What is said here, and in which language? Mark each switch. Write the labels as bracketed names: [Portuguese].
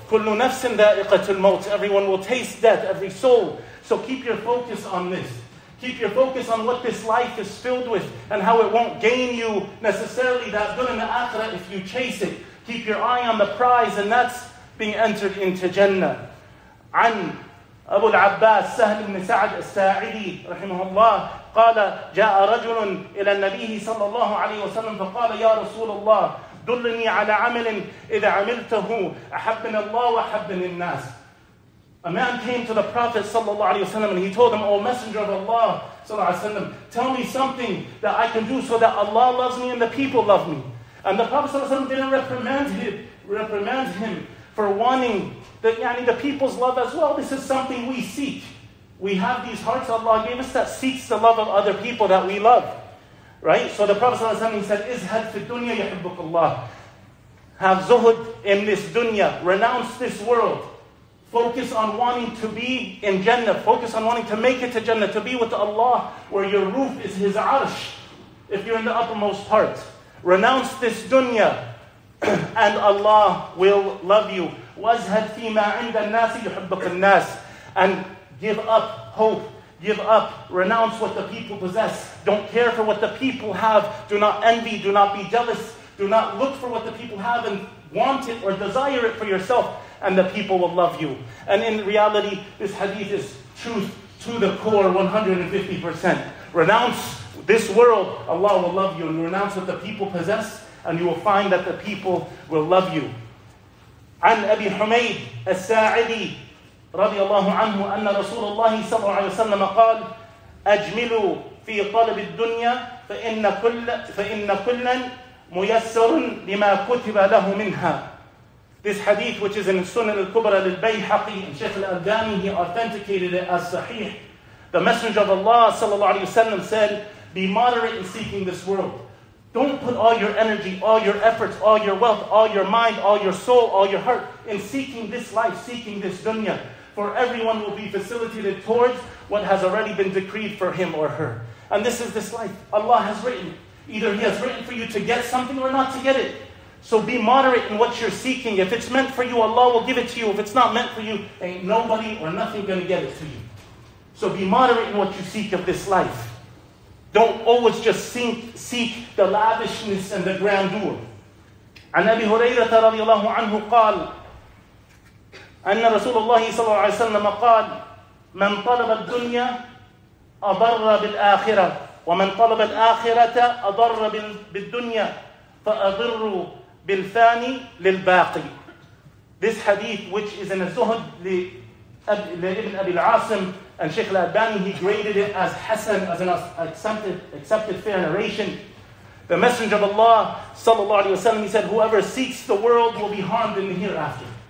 [Arabic] كُلُّ نَفْسٍ ذَائِقَةُ الْمَوْتِ [English] Everyone will taste death, every soul. So keep your focus on this. Keep your focus on what this life is filled with and how it won't gain you necessarily that good in the akhirah if you chase it. Keep your eye on the prize, and that's being entered into Jannah. [Arabic] عن أبو العباس سهل بن سعد الساعدي رحمه الله قال جاء رجل إلى النبي صلى الله عليه وسلم فقال يا رسول الله دلني على عمل إذا عملته أحبني الله وأحبني الناس. [English] A man came to the Prophet sallallahu alaihi wasallam and he told him, O Messenger of Allah sallallahu alaihi wasallam, tell me something that I can do so that Allah loves me and the people love me. And the Prophet sallallahu alaihi wasallam didn't reprimand him for wanting the people's love as well. This is something we seek. We have these hearts Allah gave us that seeks the love of other people that we love, right? So the Prophet sallallahu alaihi wasallam said, [Arabic] Izhad fi dunya yuhibbukallah. [English] Have zuhud in this dunya. Renounce this world. Focus on wanting to be in Jannah. Focus on wanting to make it to Jannah, to be with Allah, where your roof is His arsh, if you're in the uppermost part. Renounce this dunya, and Allah will love you. [Arabic] وَازْهَدْ فِي مَا عِنْدَ النَّاسِ يُحِبَّكَ النَّاسِ [English] And give up hope. Give up. Renounce what the people possess. Don't care for what the people have. Do not envy. Do not be jealous. Do not look for what the people have and want it or desire it for yourself. And the people will love you. And in reality, this hadith is truth to the core, 150%. Renounce this world, Allah will love you. And you renounce what the people possess, and you will find that the people will love you. [Arabic] عن أبي حميد الساعدي رضي الله عنه أن رسول الله صلى الله عليه وسلم قال أجملوا في طلب الدنيا فإن كلا ميسر لما كتب له منها. [English] This hadith, which is in Sunan al-Kubra al-Bayhaqi, and Shaykh al-Albani, he authenticated it as sahih. The Messenger of Allah sallallahu alayhi wa sallam said, be moderate in seeking this world. Don't put all your energy, all your efforts, all your wealth, all your mind, all your soul, all your heart in seeking this life, seeking this dunya. For everyone will be facilitated towards what has already been decreed for him or her. And this is this life. Allah has written. Either He has written for you to get something or not to get it. So be moderate in what you're seeking. If it's meant for you, Allah will give it to you. If it's not meant for you, ain't nobody or nothing going to get it to you. So be moderate in what you seek of this life. Don't always just seek the lavishness and the grandeur. [Arabic] عن أبي هريرة رضي الله عنه قال أن رسول الله صلى الله عليه وسلم قال من طلب الدنيا أضر بالآخرة ومن طلب الآخرة أضر بالدنيا فأضروا بالثاني للباقي. [English] This hadith, which is in a Zuhd Ibn Abi al-Asim and Shaykh al-Albani, he graded it as hasan, as an accepted fair narration. The Messenger of Allah sallallahu alaihi wasallam, he said, whoever seeks the world will be harmed in the hereafter.